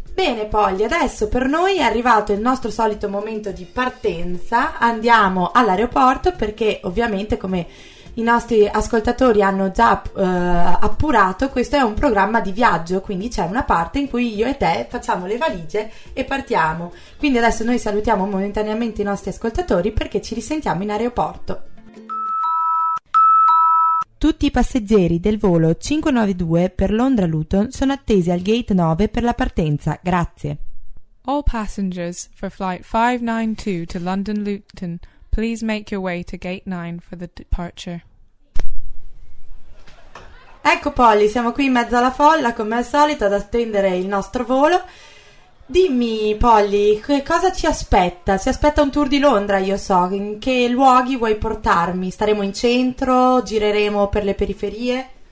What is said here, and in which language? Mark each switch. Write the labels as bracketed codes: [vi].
[it] Bene Polly, adesso per noi è arrivato il nostro solito momento di partenza, andiamo all'aeroporto perché ovviamente, come i nostri ascoltatori hanno già appurato, questo è un programma di viaggio, quindi c'è una parte in cui io e te facciamo le valigie e partiamo. Quindi adesso noi salutiamo momentaneamente i nostri ascoltatori perché ci risentiamo in aeroporto. Tutti i passeggeri del volo 592 per Londra-Luton sono attesi al gate 9 per la partenza. Grazie. [en] All passengers for flight 592 to London-Luton, please make your way to gate 9 for the departure. [it] Ecco Polly, siamo qui in mezzo alla folla, come al solito, ad attendere il nostro volo. Dimmi Polly, cosa ci aspetta? Ci aspetta un tour di Londra, io so. In che luoghi vuoi portarmi? Staremo in centro? Gireremo per le periferie?